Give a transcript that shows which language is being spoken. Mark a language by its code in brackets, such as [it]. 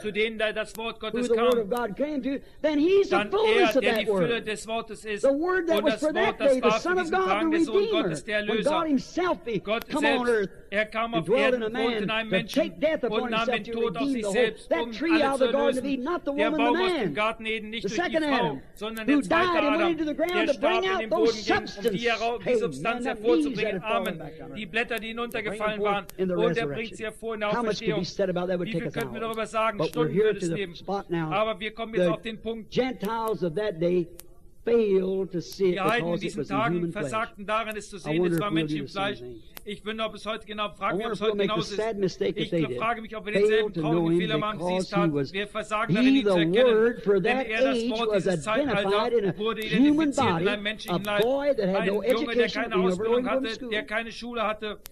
[de] zu denen da das Wort Gottes kam, dann er, der die Fülle des Wortes ist, und das Wort, das war für diesen Tag, der Sohn Gottes, der Erlöser, Gott selbst, er kam auf Erden, wohnte in einem Menschen und nahm den Tod auf sich selbst, um alle zu erlösen. Der Baum aus dem Garten Eden, nicht durch die Frau, sondern der zweite Adam, der starb in den Boden ging, um die Substanz hervorzubringen. Amen. Die Blätter, die hinuntergefallen waren, und er bringt sie hervor in der Auferstehung. Wie viel könnten wir darüber sagen? Stunden würde es nehmen. Aber wir kommen jetzt auf den Punkt. [en] Gentiles of that day failed to see it because it was human flesh. [de] Versagten darin, es zu sehen, es war menschliches Fleisch. Ich bin ob es heute genau fragen, ob es heute genauso ist. Ich frage mich, ob wir denselben traurigen Fehler machen, wie sie es taten. Wir versagen darin, ihn zu erkennen, denn er, das Wort dieses Zeitalter, wurde identifiziert in einem menschlichen Leib. Ein Junge, der keine Ausbildung hatte, der keine Schule hatte.